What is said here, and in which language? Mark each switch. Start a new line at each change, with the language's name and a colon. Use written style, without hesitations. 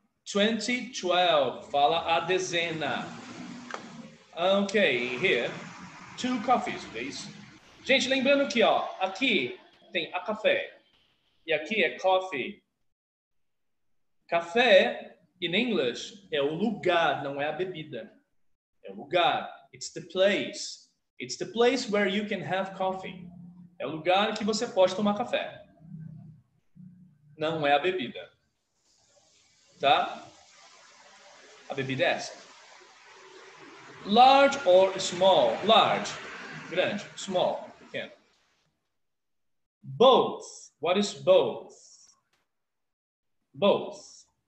English: 2012,
Portuguese: fala a dezena.
English: Ok, here, two coffees, ok?
Portuguese: Gente, lembrando que, ó, aqui tem a café e aqui é coffee. Café,
English: in English,
Portuguese: é o lugar, não é a bebida. É o lugar,
English: it's the place. It's the place where you can have coffee.
Portuguese: É o lugar que você pode tomar café. Não é a bebida. Tá? A bebida é essa.
English: Large or small? Large. Grande. Small. Pequeno. Both. What is both? Both.